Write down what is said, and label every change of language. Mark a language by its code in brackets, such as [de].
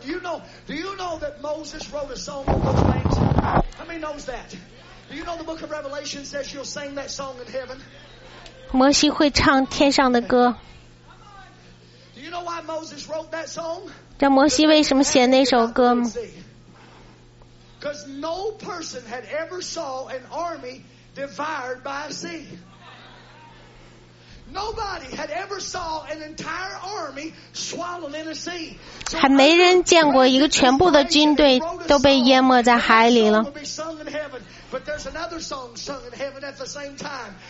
[en] Do you know that Moses wrote a song on those wings? How many knows that? Do you know the book of Revelation says you'll sing that song in heaven?" [zh] 摩西会唱天上的歌。 [en] Do you know why Moses wrote that song? [zh] 这摩西为什么写那首歌吗？ [en] Because no person had ever saw an army devoured by a sea. Nobody had ever saw an entire army swallowed in a sea. [zh] 还没人见过一个全部的军队都被淹没在海里了。 [en] But there's another song sung in heaven at the same time.